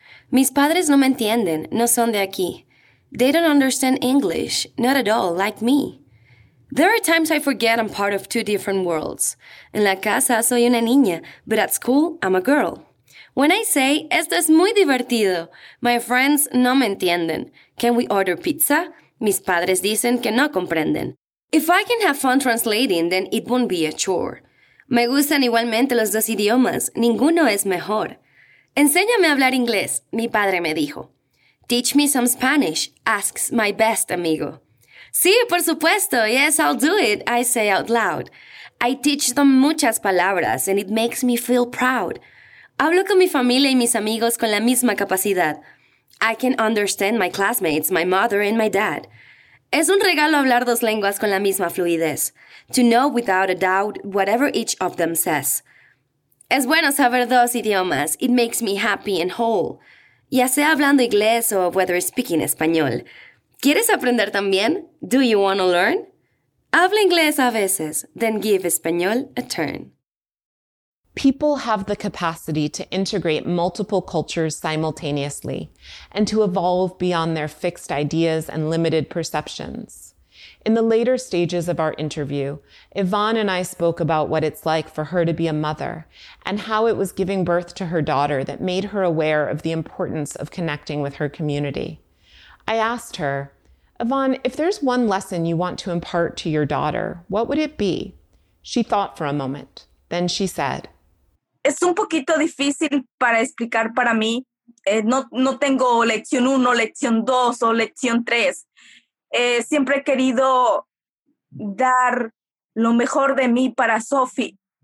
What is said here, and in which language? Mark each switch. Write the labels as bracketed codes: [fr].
[es] Mis padres no me entienden, no son de aquí. [en] They don't understand English, not at all, like me. There are times I forget I'm part of two different worlds. [es] En la casa soy una niña, [en] but at school, I'm a girl. When I say, [es] esto es muy divertido, [en] my friends [es] no me entienden. [en] Can we order pizza? [es] Mis padres dicen que no comprenden. [en] If I can have fun translating, then it won't be a chore. [es] Me gustan igualmente los dos idiomas. Ninguno es mejor. Enséñame a hablar inglés, mi padre me dijo. [en] Teach me some Spanish, asks my best amigo. [es] Sí, por supuesto. [en] Yes, I'll do it, I say out loud. I teach them [es] muchas palabras, [en] and it makes me feel proud. [es] Hablo con mi familia y mis amigos con la misma capacidad. [en] I can understand my classmates, my mother, and my dad. [es] Es un regalo hablar dos lenguas con la misma fluidez, [en] to know without a doubt whatever each of them says. [es] Es bueno saber dos idiomas, [en] it makes me happy and whole. [es] Ya sea hablando inglés o [en] whether speaking [es] español. ¿Quieres aprender también? [en] Do you want to learn? [es] Habla inglés a veces, [en] then give español a turn. People have the capacity to integrate multiple cultures simultaneously and to evolve beyond their fixed ideas and limited perceptions. In the later stages of our interview, Yvonne and I spoke about what it's like for her to be a mother and how it was giving birth to her daughter that made her aware of the importance of connecting with her community. I asked her, Yvonne, if there's one lesson you want to impart to your daughter, what would it be? She thought for a moment. Then she said, [es] Es un poquito difícil para explicar para mí. No tengo lección uno, lección dos o lección tres. Siempre he querido dar lo mejor de mí para Sophie.